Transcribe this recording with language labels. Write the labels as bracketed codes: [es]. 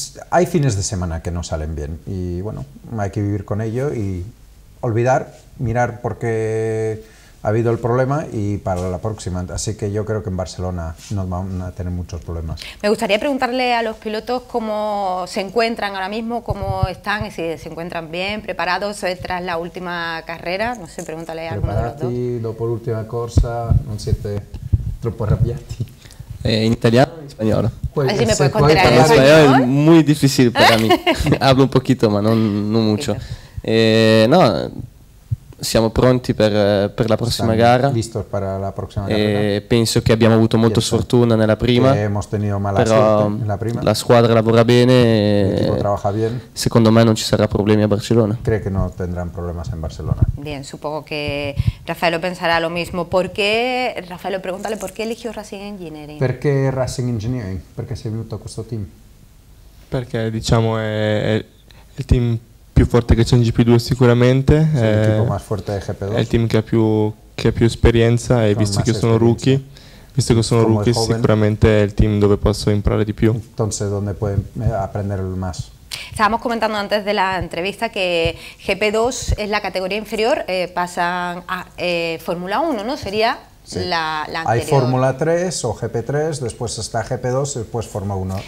[es] Hay fines de semana que no salen bien y bueno, hay que vivir con ello y olvidar, mirar por qué ha habido el problema y para la próxima. Así que yo creo que en Barcelona no van a tener muchos problemas. Me gustaría preguntarle a los pilotos cómo se encuentran ahora mismo, cómo están, si se encuentran bien, preparados tras la última carrera. No sé, pregúntale a alguno de los dos. [it] Dopo l'ultima corsa, non siete troppo arrabbiati. [es] ¿En italiano o en español? Así me puedes contar. En español es muy difícil para mí. Hablo un poquito, pero no mucho. [it] No, siamo pronti per la prossima gara. [es] Listo para la próxima [it] gara. Penso che abbiamo avuto molta sfortuna nella prima. [es] Hemos tenido mala suerte en la prima. [it] La squadra lavora bene. [es] L'equipo trabaja bien. [it] Secondo me non ci sarà problemi a Barcelona. [es] Cree que no tendrán problemas en Barcelona. Bien, supongo que Raffaello pensará lo mismo. ¿Por qué, Raffaello, pregúntale por qué eligió Racing Engineering? [it] Perché Racing Engineering? Perché sei venuto a questo team? Perché diciamo è il team più forte che c'è in GP2 sicuramente, è il team più forte di GP2. È il team che ha più esperienza e visto che sono rookie, sicuramente è il team dove posso imparare di più. [es] Entonces dónde puede aprender el más. Estábamos comentando antes de la entrevista que GP2 es la categoría inferior, pasan a Fórmula 1, ¿no? Sería Sí. La hay Fórmula 3 o GP3, después está GP2 y después Fórmula 1.